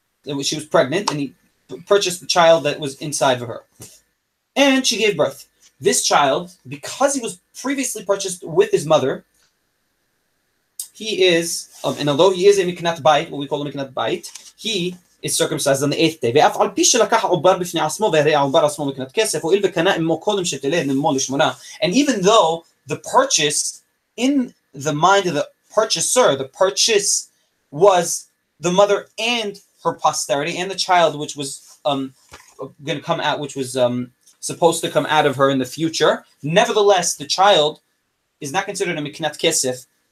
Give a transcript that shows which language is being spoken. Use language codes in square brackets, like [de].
[en] She was pregnant, and he purchased the child that was inside of her. And she gave birth. This child, because he was previously purchased with his mother, he is, and although he is a miknat bayit, what we call a miknat bayit, he is circumcised on the eighth day. [he] ואף על פי שלקח עובר בפני עצמו והרי העובר עצמו מקנת כסף, הואיל וקנה אמו קודם שתלד אמו לשמונה. [en] And even though the purchase, in the mind of the purchaser, the purchase was the mother and her posterity and the child which was going to come out, which was supposed to come out of her in the future. Nevertheless, the child is not considered a miknat kesef.